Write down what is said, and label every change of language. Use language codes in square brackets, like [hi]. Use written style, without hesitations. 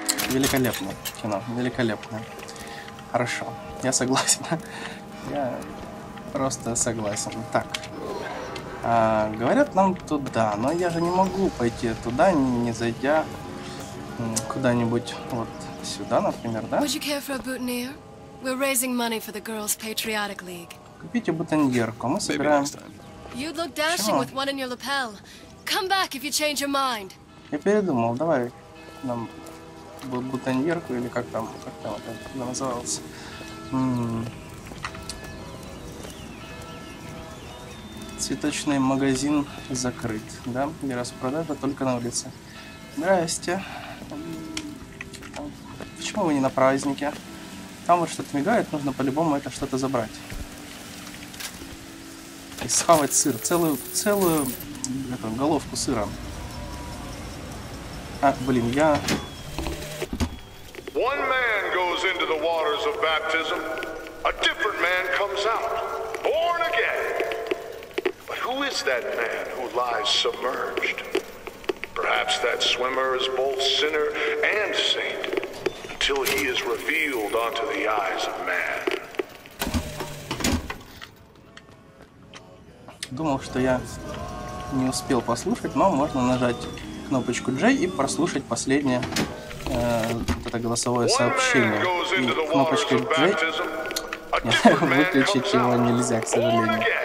[ru] Великолепное кино, великолепное. Хорошо, я согласен. Я просто согласен. Так, говорят нам туда, но я же не могу пойти туда, не зайдя куда-нибудь вот сюда, например, да? [en] Would you care for a boutonniere? We're raising money for the Girls Patriotic League. [ru] Купите бутоньерку, мы собираем... [en] You'd look dashing with one in your lapel. Come back if you change your mind. [ru] Я передумал. Давай нам бутоньерку или как там это называлось. Цветочный магазин закрыт, да? И распродажа только на улице. Здрасте. Почему вы не на празднике? Там вот что-то мигает, нужно по-любому это что-то забрать. И схавать сыр, целую эту, головку сыра. А, блин, я... [en] One man goes into the waters of baptism, a different man comes out, born again. But who is that man who lies submerged? Perhaps that swimmer is both sinner and saint, until he is revealed onto the eyes of man. [ru] Думал, что я не успел послушать, но можно нажать кнопочку J и прослушать последнее вот это голосовое сообщение. И кнопочкой J выключить его нельзя, к сожалению.